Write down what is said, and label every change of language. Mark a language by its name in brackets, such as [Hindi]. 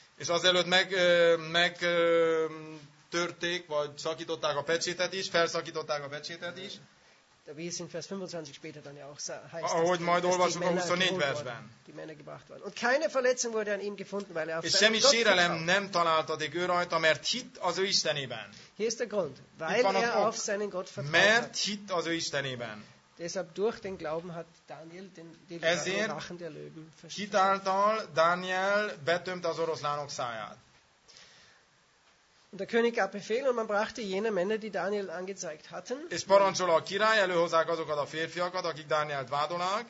[Hungarian] És azelőtt meg törték, vagy szakították a pecsétet is, felszakították a pecsétet is. [German] De wie es in Vers 25 später dann ja auch heißt, [Hungarian] ahogy majd olvasunk a 24 versben. [German] Die Männer gebracht worden. Und keine Verletzung wurde an ihm gefunden, weil er auf seinen Gott vertraute. [Hungarian] Nem találtatik ő rajta, mert hitt az ő Istenében. [German] Hier ist der Grund, weil er auf seinen Gott vertraute. [Hungarian] Mert hitt az ő Istenében. [German] Deshalb durch den Glauben hat Daniel den Rachen der Löwen verstanden. [Hungarian] Hitt által Daniel betömte az oroszlánok száját. [German] Und der König gab Befehl und man brachte jene Männer, die Daniel angezeigt hatten. [Hungarian] És parancsol a király, előhozzák azokat a férfiakat, akik Dánielt vádolnak.